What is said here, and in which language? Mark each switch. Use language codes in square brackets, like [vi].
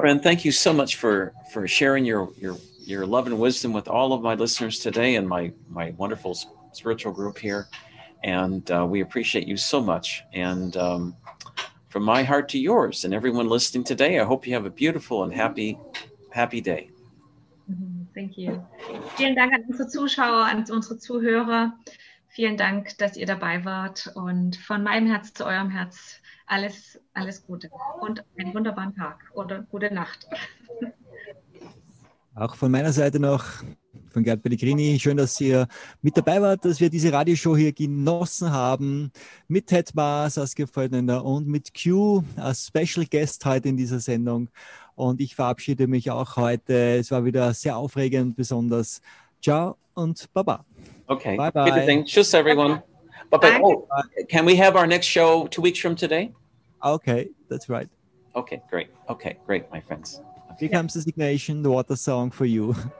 [en] friend, thank you so much for sharing your love and wisdom with all of my listeners today and my wonderful spiritual group here. And we appreciate you so much. And from my heart to yours and everyone listening today, I hope you have a beautiful and happy day. Thank you. [de] Vielen Dank an unsere Zuschauer, an unsere Zuhörer. Vielen Dank, dass ihr dabei wart. Und von meinem Herz zu eurem Herz, alles Gute und einen wunderbaren Tag oder gute Nacht. Auch von meiner Seite noch, von Gerd Pellegrini, schön, dass ihr mit dabei wart, dass wir diese Radioshow hier genossen haben mit Ted Maas, Saskia Feldnender und mit Q als Special Guest heute in dieser Sendung. Und ich verabschiede mich auch heute. Es war wieder sehr aufregend, besonders. Ciao und Baba. [en] Okay. Bye bye. Tschüss, everyone. Bye bye. Oh, can we have our next show 2 weeks from today? Okay, that's right. Okay, great. Okay, great, my friends. Here comes the signation, the water song for you.